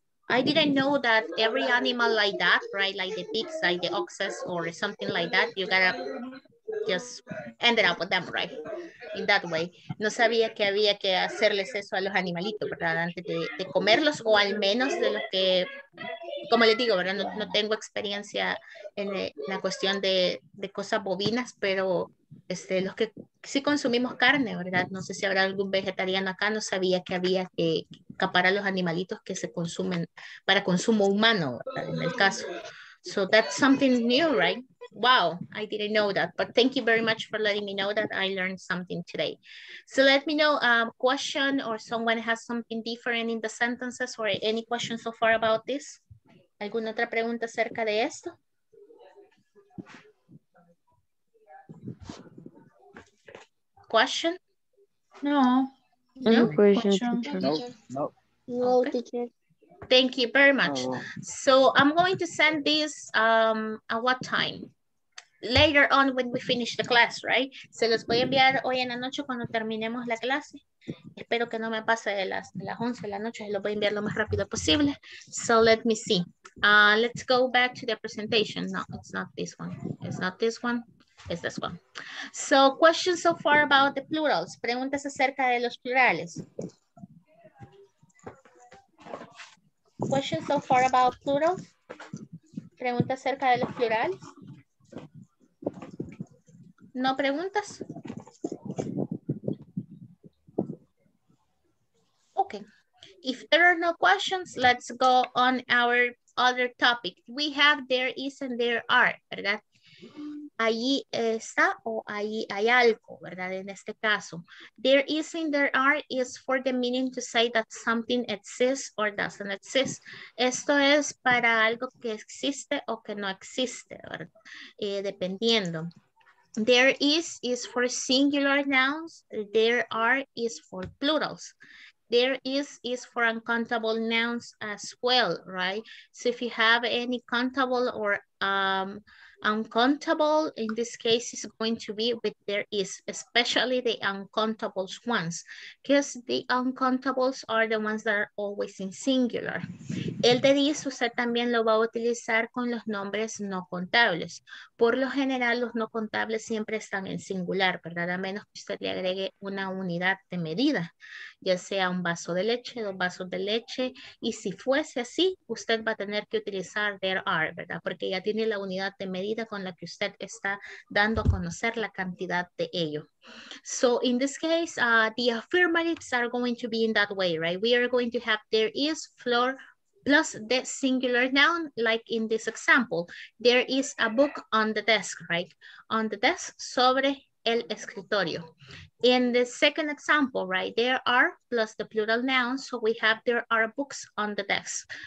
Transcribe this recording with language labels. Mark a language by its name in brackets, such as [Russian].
[English] I didn't know that every animal like that, right? Like the pigs, like the oxes or something like that. You gotta just end it up with them, right? In that way. [Spanish] No sabía que había que hacerles eso a los animalitos, ¿verdad? Antes de comerlos, o al menos de los que, como les digo, ¿verdad? No tengo experiencia en la cuestión de cosas bovinas, pero este, los que sí consumimos carne, ¿verdad? No sé si habrá algún vegetariano acá, no sabía que había que acaparar a los animalitos que se consumen para consumo humano, ¿verdad? En el caso. [English] So that's something new, right? Wow, I didn't know that, but thank you very much for letting me know that I learned something today. So let me know a question or someone has something different in the sentences or any questions so far about this. [Spanish] ¿Alguna otra pregunta acerca de esto? [English] Question? No question. Okay. Thank you very much. So I'm going to send this at what time? later on when we finish the class, right? [Spanish] Se los voy a enviar hoy en la noche cuando terminemos la clase. Espero que no me pase de las 11 de la noche. Se los voy a enviar lo más rápido posible. [English] So let me see. Let's go back to the presentation. No, it's not this one. It's not this one. It's this one. So questions so far about the plurals. [Spanish] Preguntas acerca de los plurales. [English] Questions so far about plurals. [Spanish] Pregunta acerca de los plurales. No preguntas. [English] Okay. If there are no questions, let's go on our other topic. We have there is and there are, [Spanish] ¿verdad? Allí está o allí hay algo, ¿verdad? En este caso, [English] there is and there are is for the meaning to say that something exists or doesn't exist. [Spanish] Esto es para algo que existe o que no existe, ¿verdad? [English] Dependiendo. There is for singular nouns. There are is for plurals. There is for uncountable nouns as well, right? So if you have any countable or uncountable, in this case, it's going to be with there is, especially the uncountable ones, because the uncountables are the ones that are always in singular. [Spanish] El de is, usted también lo va a utilizar con los nombres no contables. Por lo general, los no contables siempre están en singular, ¿verdad? A menos que usted le agregue una unidad de medida, ya sea un vaso de leche, dos vasos de leche, y si fuese así, usted va a tener que utilizar there are, ¿verdad? Porque ya tiene la unidad de medida con la que usted está dando a conocer la cantidad de ello. [English] So in this case, the affirmatives are going to be in that way, right? We are going to have there is floor plus the singular noun, like in this example, there is a book on the desk, right? On the desk, [Spanish] sobre el escritorio. [English] In the second example, right, there are plus the plural noun, so we have there are books on the desk.